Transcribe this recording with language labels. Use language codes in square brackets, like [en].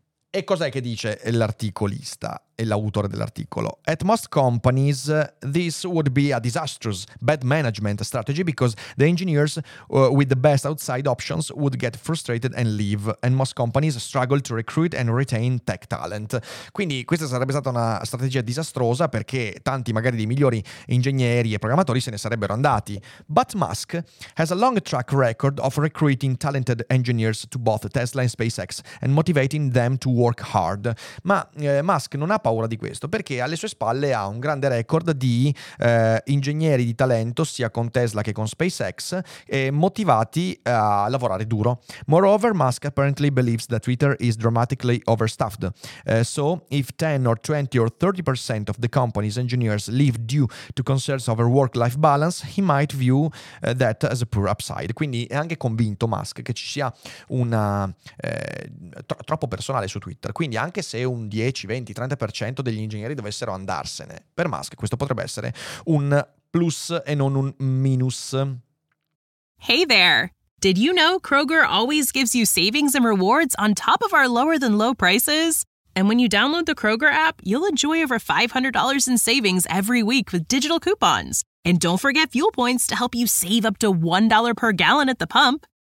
[it] E cos'è che dice l'articolista e l'autore dell'articolo? [en] At most companies, this would be a disastrous bad management strategy because the engineers with the best outside options would get frustrated and leave, and most companies struggle to recruit and retain tech talent. [it] Quindi questa sarebbe stata una strategia disastrosa perché tanti magari dei migliori ingegneri e programmatori se ne sarebbero andati. [en] But Musk has a long track record of recruiting talented engineers to both Tesla and SpaceX and motivating them to work hard. [it] Ma Musk non ha paura paura di questo, perché alle sue spalle ha un grande record di ingegneri di talento, sia con Tesla che con SpaceX, motivati a lavorare duro. [en] Moreover, Musk apparently believes that Twitter is dramatically overstaffed. So, if 10 or 20 or 30% of the company's engineers leave due to concerns over work-life balance, he might view that as a poor upside. [it] Quindi è anche convinto Musk che ci sia una troppo personale su Twitter. Quindi anche se un 10, 20, 30% degli ingegneri dovessero andarsene, per Musk questo potrebbe essere un plus e non un minus. [en] Hey there! Did you know Kroger always gives you savings and rewards on top of our lower than low prices? And when you download the Kroger app, you'll enjoy over $500 in savings every week with digital coupons. And don't forget fuel points to help you save up to $1 per gallon at the pump.